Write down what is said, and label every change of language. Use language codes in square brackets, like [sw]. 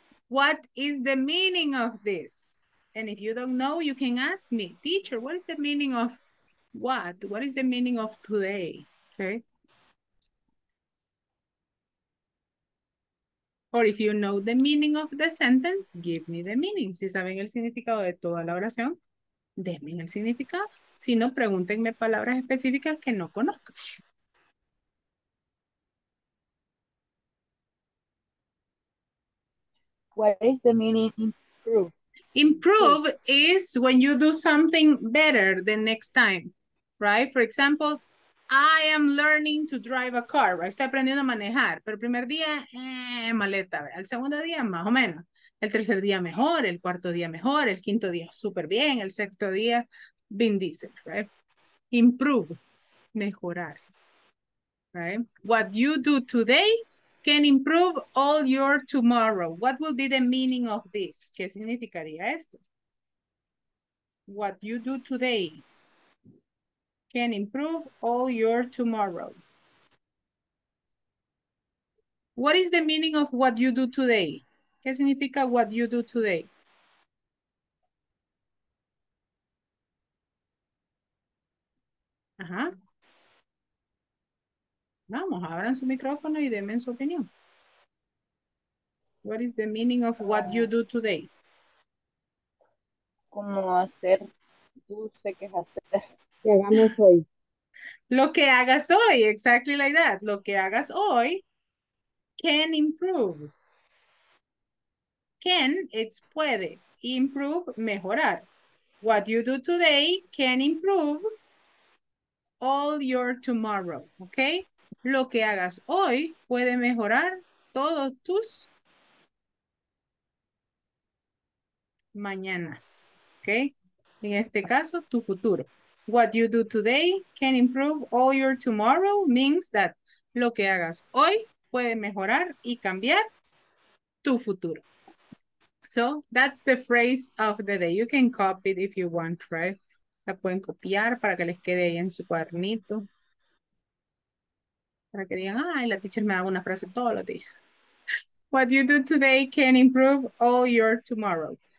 [en] What is the meaning of this? And if you don't know, you can ask me, teacher, what is the meaning of what? What is the meaning of today? Okay. Or if you know the meaning of the sentence, give me the meaning. [es] Si saben el significado de toda la oración, denme el significado. Si no, pregúntenme palabras específicas que no conozco. [en] What is the meaning improve? Improve is when you do something better the next time, right? For example, I am learning to drive a car, right? [es] Estoy aprendiendo a manejar, pero el primer día, maleta. El segundo día, más o menos. El tercer día, mejor. El cuarto día, mejor. El quinto día, súper bien. El sexto día, Vin Diesel, right? [en] Improve, mejorar, right? What you do today can improve all your tomorrow. What will be the meaning of this? [es] ¿Qué significaría esto? [en] What you do today can improve all your tomorrow. What is the meaning of what you do today? [es] ¿Qué significa [en] what you do today? [es] Ajá. Vamos, abran su micrófono y denme su opinión. [en] What is the meaning of what you do today? [es] Como hacer dulce, que es hacer. Que hagamos hoy. Lo que hagas hoy, [en] exactly like that. [es] Lo que hagas hoy [en] can improve. Can, it's puede. Improve, mejorar. What you do today can improve all your tomorrow, okay? [es] Lo que hagas hoy puede mejorar todos tus mañanas, okay? En este caso, tu futuro. [en] What you do today can improve all your tomorrow means that [es] lo que hagas hoy puede mejorar y cambiar tu futuro. [en] So, that's the phrase of the day. You can copy it if you want, right? [es] La pueden copiar para que les quede ahí en su cuadernito. Para que digan, ay, la teacher me da una frase todos los días. [en] What you do today can improve all your tomorrow.